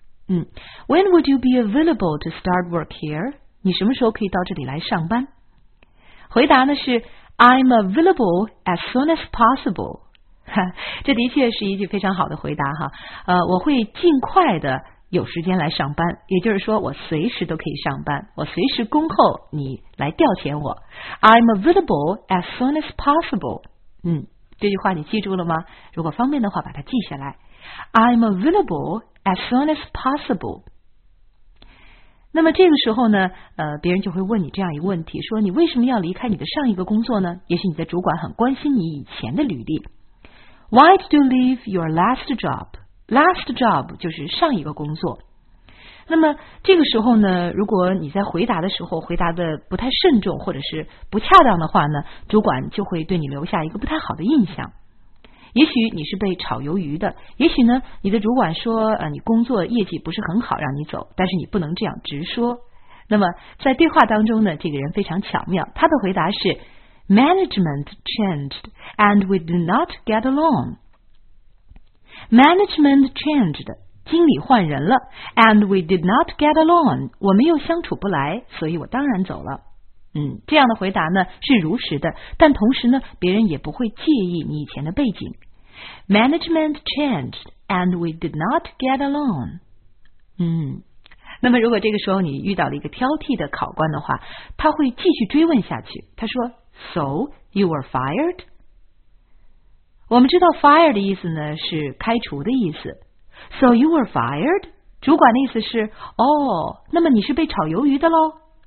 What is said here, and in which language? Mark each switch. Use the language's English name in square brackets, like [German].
[English] When would you be available to start work here? [Chinese] 你什么时候可以到这里来上班？回答呢是 [English] I'm available as soon as possible. [Chinese] 这的确是一句非常好的回答哈。我会尽快的有时间来上班，也就是说我随时都可以上班，我随时恭候你来调遣我。 [English] I'm available as soon as possible. [Chinese] 这句话你记住了吗？如果方便的话把它记下来。 [English] I'm available as soon as possible. [Chinese] 那么这个时候呢，别人就会问你这样一个问题，说你为什么要离开你的上一个工作呢？也许你的主管很关心你以前的履历。 [English] Why did you leave your last job? [Chinese] Last job 就是上一个工作。那么这个时候呢，如果你在回答的时候回答的不太慎重或者是不恰当的话呢，主管就会对你留下一个不太好的印象。也许你是被炒鱿鱼的，也许呢你的主管说你工作业绩不是很好让你走，但是你不能这样直说。那么在对话当中呢，这个人非常巧妙，他的回答是 [English] Management changed and we did not get along. Management changed, [Chinese] 经理换人了， [English] and we did not get along, [Chinese] 我们又相处不来，所以我当然走了。这样的回答呢是如实的，但同时呢别人也不会介意你以前的背景。 [English] Management changed and we did not get along. [Chinese] 那么如果这个时候你遇到了一个挑剔的考官的话，他会继续追问下去，他说 [English] So you were fired? [Chinese] 我们知道 fire 的意思呢是开除的意思。 [English] So you were fired? [Chinese] 主管的意思是哦，那么你是被炒鱿鱼的咯。